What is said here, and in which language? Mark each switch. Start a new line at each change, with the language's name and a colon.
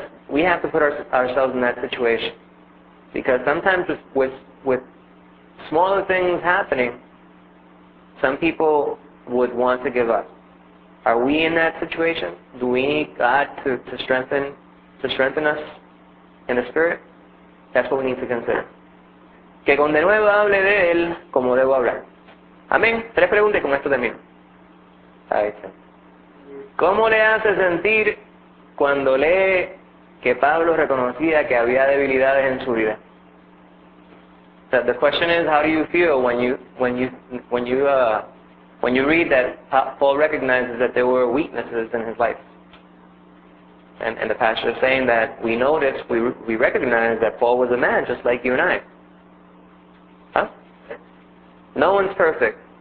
English: We have to put ourselves in that situation. Because sometimes with smaller things happening, some people would want to give up. Are we in that situation? Do we need God to strengthen us in the Spirit? That's what we need to consider.
Spanish: Que con de nuevo hable de él como debo hablar. Amén. Tres preguntas con esto también. Ahí está. ¿Cómo le hace sentir cuando lee que Pablo reconocía que había debilidades en su vida?
English: So the question is, how do you feel when you read that Paul recognizes that there were weaknesses in his life? And the pastor is saying that we notice, we recognize that Paul was a man just like you and I. Huh? No one's perfect.